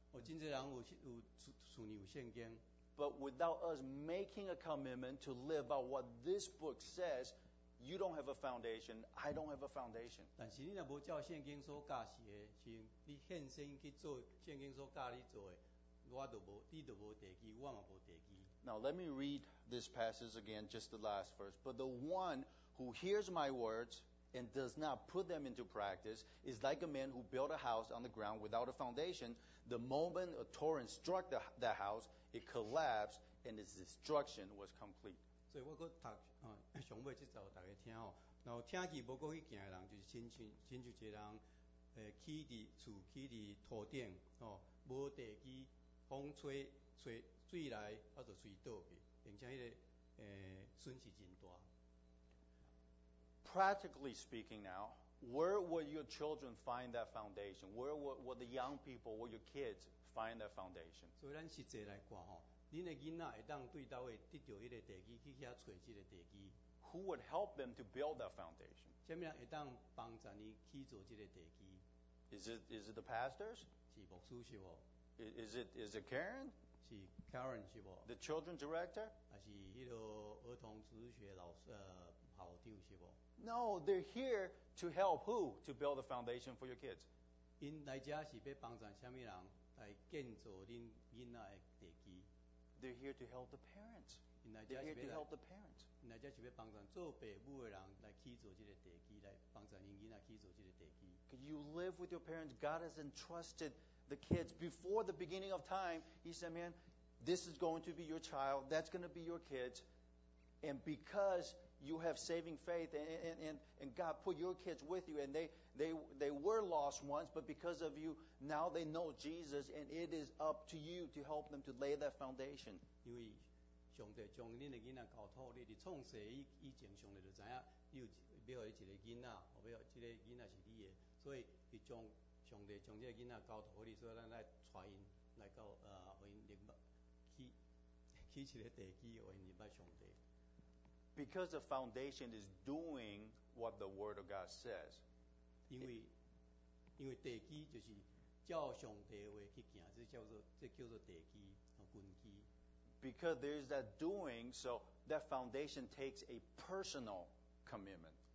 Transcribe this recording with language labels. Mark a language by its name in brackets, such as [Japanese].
[English] But without us making a commitment to live by what this book says, you don't have a foundation. I don't have a foundation. [Min Nan Chinese] 但是你若无照圣经所教示的，是你献身去做圣经所教你做的，你都无地基，我嘛无地基。 [English] Now let me read this passage again, just the last verse. But the one who hears my words and does not put them into practice is like a man who built a house on the ground without a foundation. The moment a torrent struck the house, it collapsed and its destruction was complete. [Min Nan Chinese] 所以我搁读，上尾即阵大家听吼，然后听起无搁去行的人，就是亲像一个人，起伫厝，起伫土顶，吼，无地基，风吹水来，啊就水倒去，并且迄个，损失真大。 [English] Practically speaking, now, where will your children find that foundation? Where will the young people, will your kids find that foundation? [Min Nan Chinese] 所以咱实际来看吼。您的囡仔会当对到位得到迄个地基去遐找这个地基。 [English] Who would help them to build that foundation? [Min Nan Chinese] 什么人会当帮助你去做这个地基 [English] ？Is it the pastors? [Min Nan Chinese] 是牧师是无。 [English] Is it Karen？ [Min Nan Chinese] 是 Karen 是无。 [English] The children director？ [Min Nan Chinese] 还是迄个儿童主学老师校长是无 [English] ？No， they're here to help who to build a foundation for your kids。 [Min Nan Chinese] 因来遮是要帮助什么人来建造恁囡仔的地基 [English] ？They're here to help the parents。 You live with your parents. God has entrusted the kids before the beginning of time. He said, man, this is going to be your child. That's going to be your kids. And because you have saving faith and God put your kids with you and they were lost once, but because of you, now they know Jesus and it is up to you to help them to lay that foundation. [Min Nan Chinese] 上帝将恁的囡仔交托你，伫创世以前，上帝就知影，你有要一个囡仔，后尾这个囡仔是你的，所以伊将上帝将这个囡仔交托你，所以咱来带因来到因明白起一个地基，因明白上帝。 [English] Because the foundation is doing what the Word of God says， [Min Nan Chinese] 因为地基就是照上帝话去行，这叫做地基和根基。 [English] Because there's that doing, so that foundation takes a personal commitment.